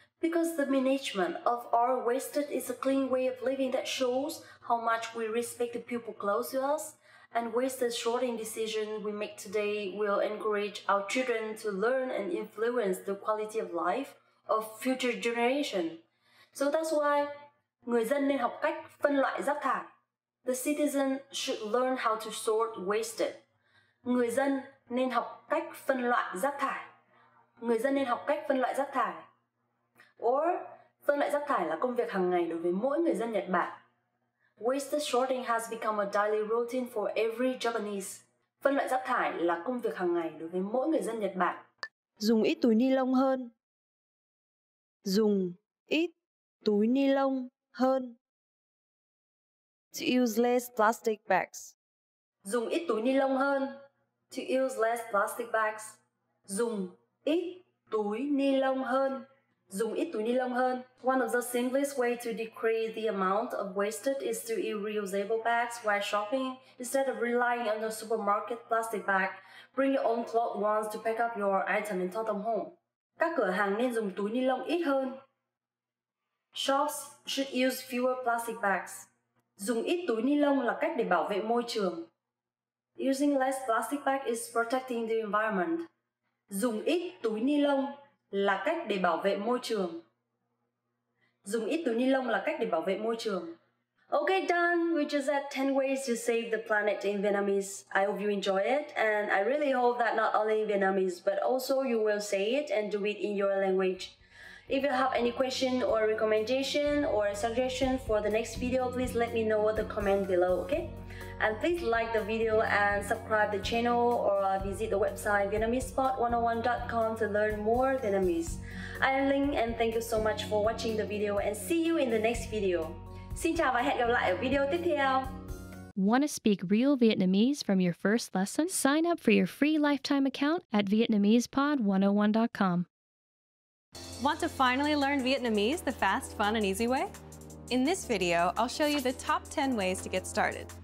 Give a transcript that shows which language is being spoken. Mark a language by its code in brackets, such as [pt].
[en] Because the management of our waste is a clean way of living that shows how much we respect the people close to us. And waste sorting decision we make today will encourage our children to learn and influence the quality of life of future generation. So that's why [vi] người dân nên học cách phân loại rác thải. [en] The citizen should learn how to sort waste. [vi] Người dân nên học cách phân loại rác thải. Người dân nên học cách phân loại rác thải. Or phân loại rác thải là công việc hàng ngày đối với mỗi người dân Nhật Bản. [en] Waste sorting has become a daily routine for every Japanese. [vi] Phân loại rác thải là công việc hàng ngày đối với mỗi người dân Nhật Bản. Dùng ít túi ni lông hơn. Dùng ít túi ni lông hơn. [en] To use less plastic bags. [vi] Dùng ít túi ni lông hơn. [en] To use less plastic bags. [vi] Dùng ít túi ni lông hơn. Dùng ít túi ni lông hơn. [en] One of the simplest ways to decrease the amount of waste is to use reusable bags while shopping. Instead of relying on the supermarket plastic bag, bring your own cloth ones to pack up your item and tote them home. [vi] Các cửa hàng nên dùng túi ni lông ít hơn. [en] Shops should use fewer plastic bags. [vi] Dùng ít túi ni lông là cách để bảo vệ môi trường. [en] Using less plastic bag is protecting the environment. [vi] Dùng ít túi ni lông là cách để bảo vệ môi trường. Dùng ít túi ni lông là cách để bảo vệ môi trường. [en] Okay, done. We just had 10 ways to save the planet in Vietnamese. I hope you enjoy it. And I really hope that not only in Vietnamese, but also you will say it and do it in your language. If you have any question or recommendation or suggestion for the next video, please let me know in the comment below, okay? And please like the video and subscribe the channel or visit the website VietnamesePod101.com to learn more Vietnamese. I am Linh and thank you so much for watching the video and see you in the next video. [vi] Xin chào và hẹn gặp lại ở video tiếp theo. [en] Want to speak real Vietnamese from your first lesson? Sign up for your free lifetime account at VietnamesePod101.com. Want to finally learn Vietnamese the fast, fun, and easy way? In this video, I'll show you the top 10 ways to get started.